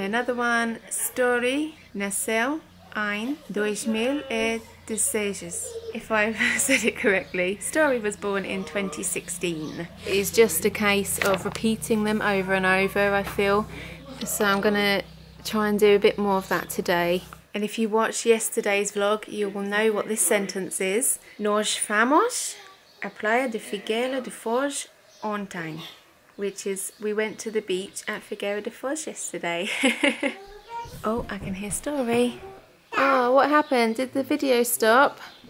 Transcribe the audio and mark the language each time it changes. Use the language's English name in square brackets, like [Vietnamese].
[English] Another one, [Portuguese] Story nasceu em 2016. [English] If I've said it correctly, Story was born in 2016. It's just a case of repeating them over and over, I feel. So I'm gonna try and do a bit more of that today. And if you watched yesterday's vlog, you will know what this sentence is. [Portuguese] Nós fomos à praia de Figueira da Foz ontem. [English] Which is, we went to the beach at Figueira da Foz yesterday. Oh, I can hear Story. Oh, what happened? Did the video stop?